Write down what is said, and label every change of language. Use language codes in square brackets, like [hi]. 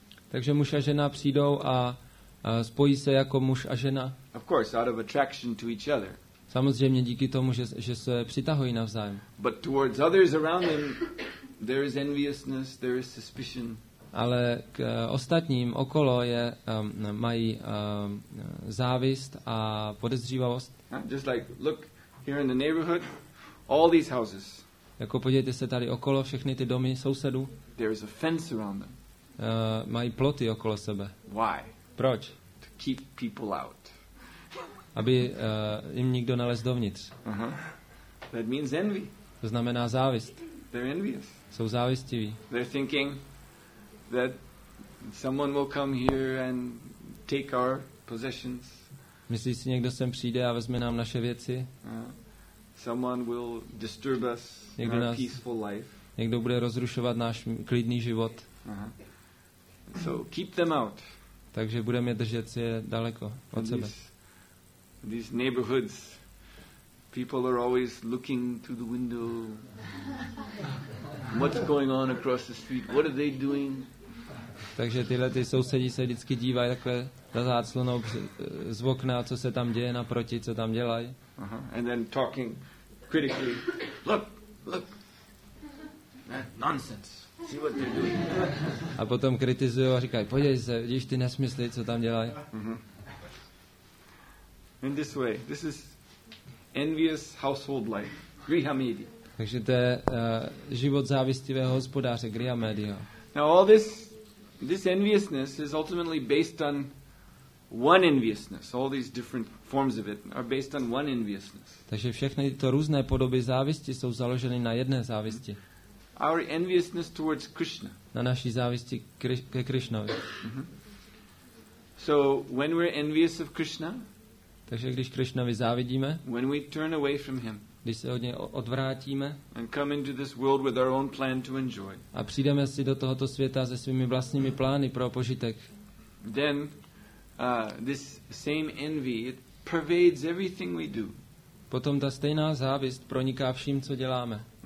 [cs] Takže muž a žena přijdou a spojí se jako muž a žena. [en] Of course, out of attraction to each other. [cs] Samozřejmě díky tomu, že se přitahují navzájem. [en] But towards others around them, there is enviousness, there is suspicion. [cs] Ale k ostatním okolo je mají závist a podezřívavost. [en] Just like look here in the neighborhood, all these houses. [cs] Jako podívejte se tady okolo, všechny ty domy sousedů. [en] There is a fence around them. [cs] Mají ploty okolo sebe. [en] Why? [cs] Proč? [en] To keep people out. [cs] Aby jim nikdo nalez dovnitř. [en] That means envy. [cs] To znamená závist. [en] They're envious. [cs] Jsou závistiví. [en] They're thinking, that someone will come here and take our possessions. [cs] Myslíš si, někdo sem přijde a vezme nám naše věci? [en] Someone will disturb us in our peaceful life. [cs] Někdo bude rozrušovat náš klidný život. [en] So keep them out. [cs] Takže budeme držet si je daleko od sebe. [en] These neighborhoods, people are always looking through the window. What's going on across the street? What are they doing? [cs] Takže tyhle ty sousedi se vždycky dívají takhle za záclonou z okna, co se tam děje naproti, co tam dělají. [en] And then talking critically. Look. Nonsense. See what they're doing. [cs] A potom kritizují a říkají, podívej se, vidíš ty nesmysly, co tam dělají. [en] In this way, this is envious household life. Grihamedi. [cs] Takže to je život závistivého hospodáře, Grihamedi. [en] Now all this enviousness is ultimately based on one enviousness. All these different forms of it are based on one enviousness. [cs] Takže všechny tyto různé podoby závisti jsou založeny na jedné závisti. [en] Our enviousness towards Krishna. [cs] Na naší závisti ke Krishnovi. [en] So when we're envious of Krishna, [cs] takže když Krishnovi závidíme, [en] when we turn away from him, [cs] když se od něj odvrátíme, [en] and come into this world with our own plan to enjoy, [cs] a přijdeme si do tohoto světa se svými vlastními plány pro požitek, [en] then this same envy, it pervades everything we do. [cs] Potom ta stejná závist proniká vším, co děláme.